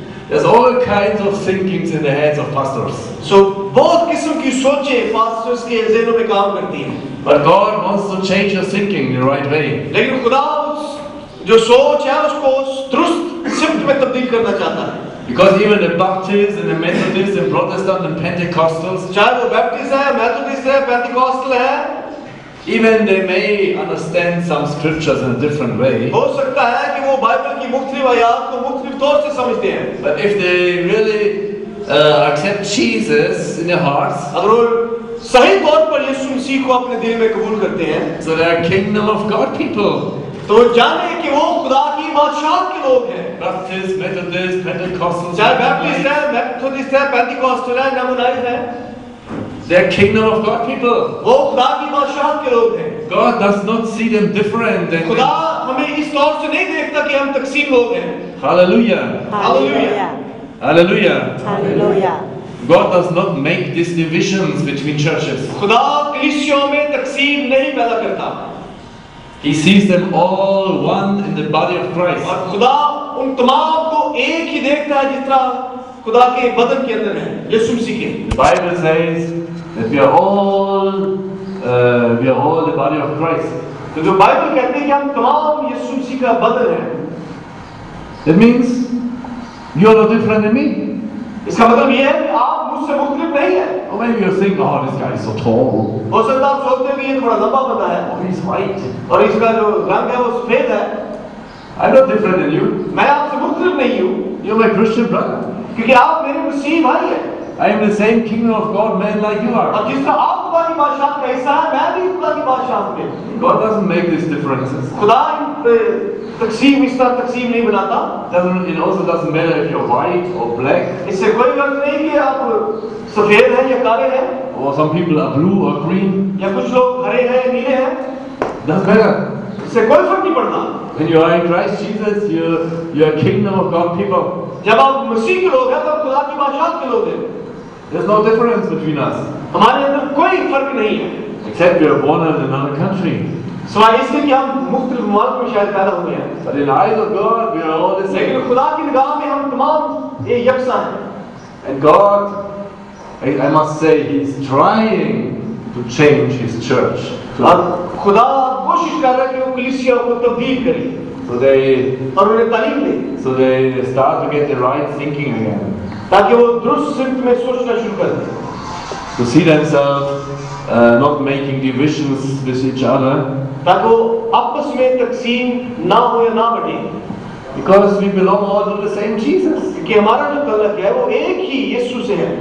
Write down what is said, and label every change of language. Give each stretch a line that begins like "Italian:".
English: There's all kinds of thinkings in the heads of pastors.
Hindi: So बहुत किस्म की सोचें pastors के ज़हनों में काम करती हैं.
English: But God wants to change your thinking in the right way.
Hindi: लेकिन खुदा जो सोच है उसको दुरुस्त सिफ्ट में तब्दील करना चाहता है.
English: Because even the Baptists and the Methodists and Protestants and Pentecostals,
Hindi: चाहे वो बैप्टिस्ट है, मेथोडिस्ट है, पेंटेकोस्टल है,
English: even they may understand some scriptures in a different way.
Hindi: हो सकता है कि वो बाइबल की मुख्तलिफ आयात को मुख्तलिफ तौर से समझते हैं.
English: But if they really accept Jesus in their hearts,
Hindi: अगर वो सही तौर पर यीशु मसीह को अपने दिल में कबूल करते हैं,
English: so they are kingdom of God people.
Hindi: तो जाने कि वो खुदा की बादशाहत के लोग हैं.
English: Baptist, Methodist, Pentecostal.
Hindi: चाहे Baptist है, Methodist है, Pentecostal है, Mennonite है.
English: They are kingdom of God people.
Hindi: वो खुदा की बादशाहत के लोग हैं.
English: God does not see them different than.
Hindi: खुदा हमें इस तौर से नहीं देखता कि हम तकसीम लोग हैं.
English: Hallelujah. Hallelujah. Hallelujah. Hallelujah. God does not make these divisions between churches.
Hindi: खुदा कलीसियों में तकसीम नहीं पैदा करता.
English: He sees them all one in the body of Christ.
Hindi: और खुदा उन तमाम को एक ही देखता है जितना खुदा के बदन के अंदर है, यीशु मसीह के.
English: The Bible says that we are all the body of Christ.
Hindi: तो जो बाइबल कहते हैं कि हम तमाम यीशु मसीह का बदन है.
English: That means you are no different than me.
Hindi: इसका मतलब ये है कि आप मुझसे मुख्तलिफ नहीं है.
English: Or maybe you think, oh, this guy is so tall.
Hindi: हो सकता है आप सोचते हैं कि ये थोड़ा लंबा बंदा है.
English: Oh, he's white.
Hindi: और इसका जो रंग है वो सफेद है.
English: I'm not different than you.
Hindi: मैं आपसे मुख्तलिफ नहीं हूँ.
English: You're my Christian brother.
Hindi: क्योंकि आप मेरे मसीह भाई हैं.
English: I am the same kingdom of God man like you are.
Hindi: और जिस तरह आप खुदा की बादशाहत का हिस्सा हैं, मैं भी खुदा की बादशाहत में.
English: God doesn't make these differences.
Hindi: खुदा तकसीम इस तरह तकसीम नहीं बनाता.
English: Doesn't it also doesn't matter if you're white or black?
Hindi: इससे कोई फर्क नहीं कि आप सफेद हैं या काले हैं.
English: Or some people are blue or green.
Hindi: या कुछ लोग हरे हैं या नीले हैं.
English: Doesn't matter.
Hindi: इससे कोई फर्क नहीं पड़ता.
English: When you are in Christ Jesus, you are kingdom of God people.
Hindi: जब आप मसीह के लोग हैं तो आप खुदा की बादशाहत के लोग हैं.
English: There's no difference between us.
Hindi: हमारे अंदर कोई फर्क नहीं है.
English: Except we are born in another country. But in the eyes of God, we are all the same.
Hindi: लेकिन खुदा की निगाह में हम तमाम ये यकसा हैं.
English: And God, I must say, He is trying to change His church.
Hindi: और खुदा कोशिश कर रहा है कि वो कलीसिया को तब्दील करे.
English: So they.
Hindi: और उन्हें तालीम दे.
English: So they start to get the right thinking again.
Hindi: ताकि वो दुरुस्त सिर्फ में सोचना शुरू कर दे.
English: To see themselves not making divisions with each other.
Hindi: ताकि वो आपस में तकसीम ना हो या ना बढ़े.
English: Because we belong all to the same Jesus.
Hindi: कि हमारा जो तल्लक है वो एक ही यीशु से है.